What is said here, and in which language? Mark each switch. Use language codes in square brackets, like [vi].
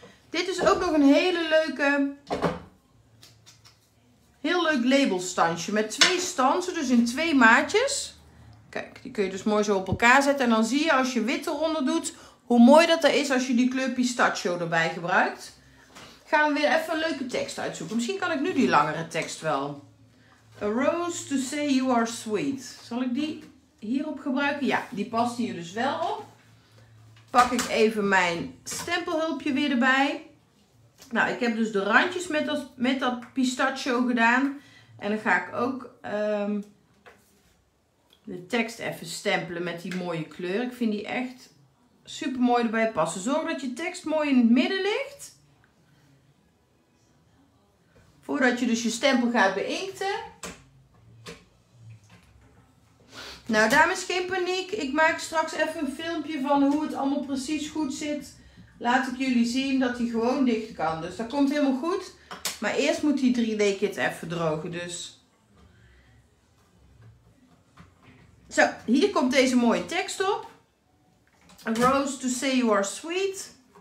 [nl] Dit is ook nog een hele leuke, heel leuk labelstansje. Met twee stansen, dus in twee maatjes. Kijk, die kun je dus mooi zo op elkaar zetten. En dan zie je als je wit eronder doet, hoe mooi dat er is als je die kleur pistachio erbij gebruikt. Gaan we weer even een leuke tekst uitzoeken. Misschien kan ik nu die langere tekst wel. [en] A rose to say you are sweet. [nl] Zal ik die hierop gebruiken? Ja, die past hier dus wel op. Pak ik even mijn stempelhulpje weer erbij. Nou, ik heb dus de randjes met dat pistachio gedaan. En dan ga ik ook de tekst even stempelen met die mooie kleur. Ik vind die echt super mooi erbij passen. Zorg dat je tekst mooi in het midden ligt. Voordat je dus je stempel gaat beinkten. Nou, dames, geen paniek. Ik maak straks even een filmpje van hoe het allemaal precies goed zit. Laat ik jullie zien dat hij gewoon dicht kan. Dus dat komt helemaal goed. Maar eerst moet die 3D-kit even drogen. Dus. Zo, hier komt deze mooie tekst op. [en] A rose to say you are sweet.